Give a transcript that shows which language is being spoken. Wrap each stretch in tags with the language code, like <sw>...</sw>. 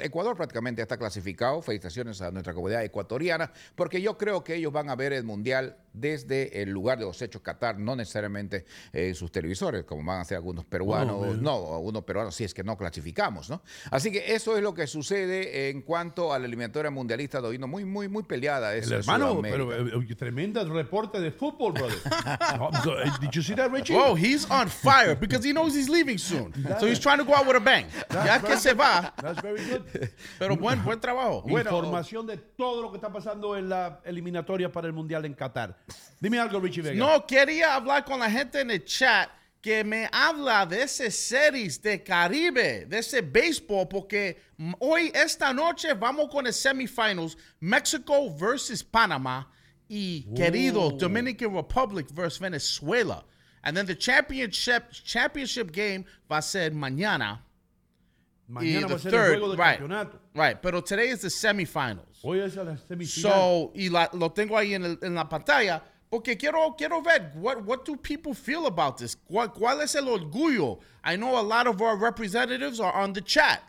<es>Ecuador prácticamente está clasificado. Felicitaciones a nuestra comunidad ecuatoriana porque yo creo que ellos van a ver el Mundial desde el lugar de los hechos Qatar, no necesariamente sus televisores, como van a hacer algunos peruanos. Algunos peruanos, si es que no clasificamos, ¿no? Así que eso es lo que sucede en cuanto a la eliminatoria mundialista de hoy, muy, muy, muy peleada. El hermano, pero tremendo reporte de fútbol, brother.</es> <en>Did you see that, Richie? Wow, he's on fire because he knows he's leaving soon. So he's trying to go out with a bang.</en> <es>Ya que se va.</es> <en>That's very good.</en> <es>Pero buen trabajo. Información de todo lo que está pasando en la eliminatoria para el Mundial en Qatar. Dime algo, Richie Vega. No, quería hablar con la gente en el chat que me habla de ese series de Caribe, de ese béisbol, porque hoy, esta noche, vamos con el semifinals, México versus Panamá y, querido, Dominican Republic versus Venezuela.</es> <en>And then the championship game</en> <es>va a ser mañana. Mañana va a ser third, el juego del campeonato.</es> <en>Right, pero today is the semifinals.</en> <es>Hoy es la semifinal. So, y lo tengo ahí en la pantalla. Porque quiero ver,</es> <en>what do people feel about this?</en> <es>¿Cuál es el orgullo?</es> <en>I know a lot of our representatives are on the chat.</en>